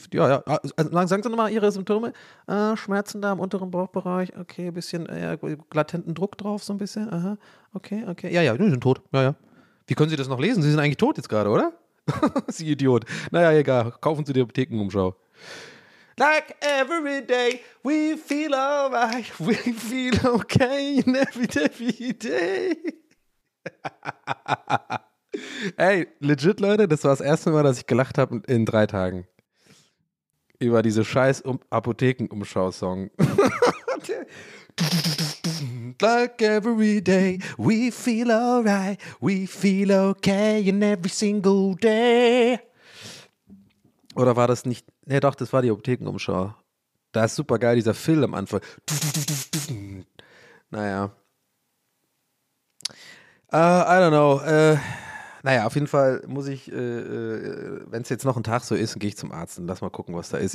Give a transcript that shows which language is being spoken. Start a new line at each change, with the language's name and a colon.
German: Also sagen sie nochmal ihre Symptome, Schmerzen da im unteren Bauchbereich, okay, ein bisschen latenten Druck drauf, so ein bisschen, aha, okay, ja, die sind tot, ja. Wie können Sie das noch lesen? Sie sind eigentlich tot jetzt gerade, oder? Sie Idiot. Naja, egal. Kaufen Sie die Apothekenumschau.
English: Like every day we feel alright, we feel okay in every day.
German: Hey, legit, Leute, das war das erste Mal, dass ich gelacht habe in 3 Tagen. Über diese scheiß Apothekenumschau-Song.
English: Like every day, we feel alright, we feel okay in every single day.
German: Oder war das nicht? Ne, doch, das war die Apothekenumschau. Da ist super geil dieser Phil am Anfang. Naja.
English: I don't know.
German: Naja, auf jeden Fall muss ich, wenn es jetzt noch ein Tag so ist, gehe ich zum Arzt und lass mal gucken, was da ist.